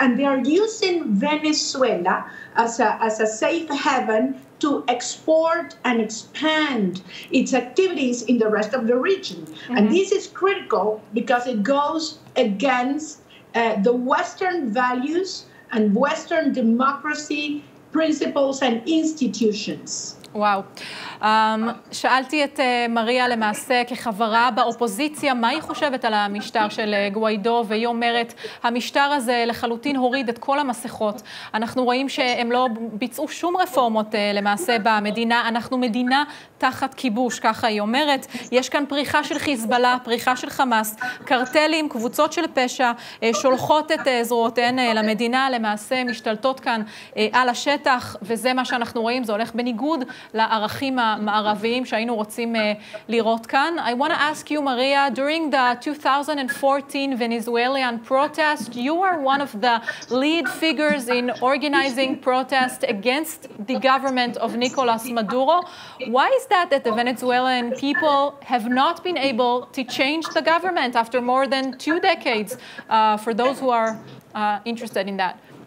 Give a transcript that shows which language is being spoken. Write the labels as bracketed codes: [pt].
[en] And they are using Venezuela as a safe haven to export and expand its activities in the rest of the region. Mm-hmm. And this is critical because it goes against the Western values and Western democracy principles and institutions. [he] וואו. שאלתי את מריה למעשה כחברה באופוזיציה, מה היא חושבת על המשטר של גוויידו, והיא אומרת, המשטר הזה לחלוטין הוריד את כל המסכות. אנחנו רואים שהם לא ביצעו שום רפורמות למעשה במדינה. אנחנו מדינה תחת כיבוש, ככה היא אומרת. יש כאן פריחה של חיזבאללה, פריחה של חמאס, קרטלים, קבוצות של פשע, שולחות את זרועותיהן למדינה, למעשה משתלטות כאן על השטח, וזה מה שאנחנו רואים, זה הולך בניגוד לערכים המערביים שהיינו רוצים לראות כאן. [en] I want to ask you, Maria, during the 2014 Venezuelan protest, you were one of the lead figures in organizing protest against the government of Nicolas Maduro. Why is that the Venezuelan people have not been able to change the government after more than 2 decades, for those who are interested in that?